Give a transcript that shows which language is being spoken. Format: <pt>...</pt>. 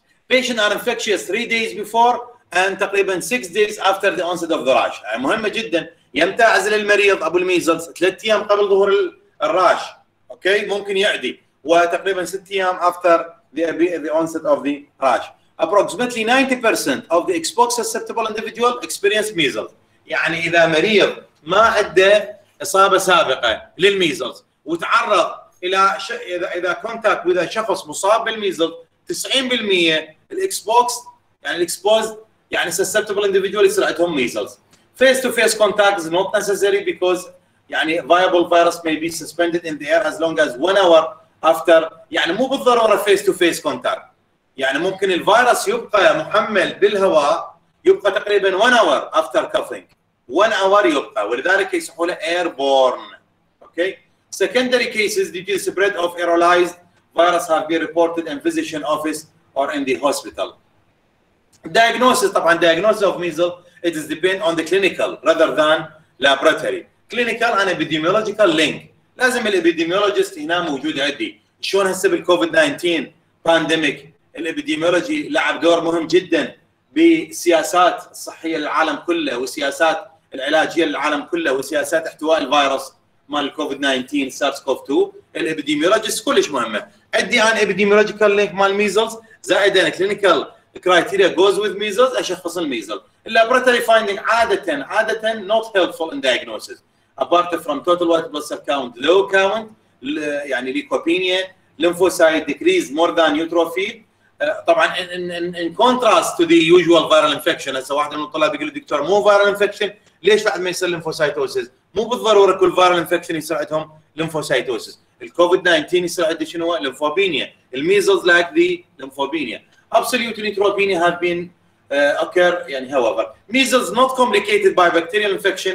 <en>Patient are infectious 3 days before and تقريبا 6 days after the onset of the rash.</en> <ar>يعني مهمه جدا يمتى اعزل المريض ابو الميزلز 3 ايام قبل ظهور الراش اوكي ممكن يعدي وتقريبا 6 ايام</ar> <en>after the onset of the rash. approximately 90% of the exposed susceptible individual experience measles.</en> <ar>يعني اذا مريض ما عنده اصابه سابقه للميزلز وتعرض الى اذا كونتاكت واذا شخص مصاب بالميزلز 90% الاكسبوكس يعني الاكسبوز يعني susceptible individual يصير عندهم measles.</ar> <en>face to face contact is not necessary because يعني viable virus may be suspended in the air as long as 1 hour after.</en> <ar>يعني مو بالضروره</ar> <en>face to face contact</en> <ar>يعني ممكن الفيروس يبقى محمل بالهواء يبقى تقريبا</ar> <en>1 hour after coughing</en> <ar>1 hour يبقى ولذلك يسحوله airborne.</ar> <en>okay secondary cases due to the spread of aerosolized virus have been reported in physician office or in the hospital. Diagnosis, طبعا diagnosis of measles, it is depend on the clinical rather than laboratory. Clinical and epidemiological link.</en> <ar>لازم الابيديميولوجيست هنا موجود عندي. شلون هسه بالكوفيد 19 pandemic الابيديميولوجي لعب دور مهم جدا بسياسات الصحية للعالم كله وسياسات العلاجية للعالم كله وسياسات احتواء الفيروس مال الكوفيد 19 سارس كوف 2. الابيديميولوجيست كلش مهمة. عندي عن epidemiological link مال measles زائد عن</ar> <en>clinical criteria goes with measles</en> <ar>اشخص الميزل.</ar> <en>اللابراتوري فايندينج عاده not helpful in diagnosis apart from total white blood cell count low count يعني leukopenia lymphocyte decrease more than neutrophil. طبعا in contrast to the usual viral infection.</en> <ar>هسه واحد من الطلاب يقول دكتور مو viral infection ليش بعد ما يصير lymphocytosis؟ مو بالضروره كل viral infection يصير عندهم lymphocytosis. الكوفيد 19 يصير عنده شنو؟ lymphopenia.</ar> <en>الميزلز like the lymphopenia. Absolute neutropenia have been occur يعني however measles not complicated by bacterial infection.</en>